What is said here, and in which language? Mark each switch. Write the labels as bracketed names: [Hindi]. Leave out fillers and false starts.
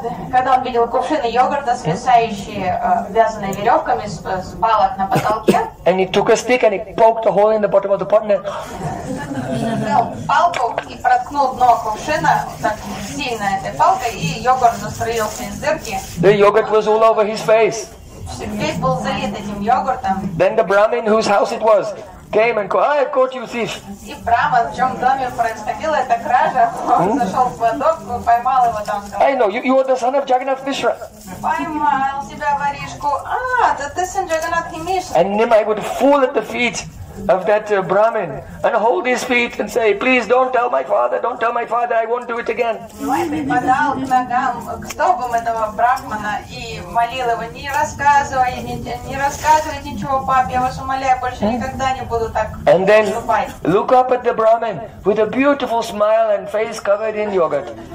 [Russian] Когда он видел кувшины йогурта, свисающие, вязанные веревками с палок на потолке, [English] and he took a stick and he poked a hole in the bottom of the pot, and then [Russian] палку и проткнул дно кувшина так сильно этой палкой, и йогурт застроился из дырки. [English] The yogurt was all over his face. [Russian] Весь был залит этим йогуртом. [English] Then the Brahmin, whose house it was, came and called, I have caught you thief. [Russian] И Браман, в чем доме происходила эта кража, он зашел в кладовку, поймал его там. [English] I know, you are the son of Jagannath Mishra. [Russian] Поймал тебя, воришку. А, ты сын Джаганнатхи Мишры. [English] And Nimai would fall at the feet of that Brahmin and hold his feet and say, please don't tell my father, don't tell my father, I won't do it again. And then look up at the Brahmin with a beautiful smile and face covered in yogurt.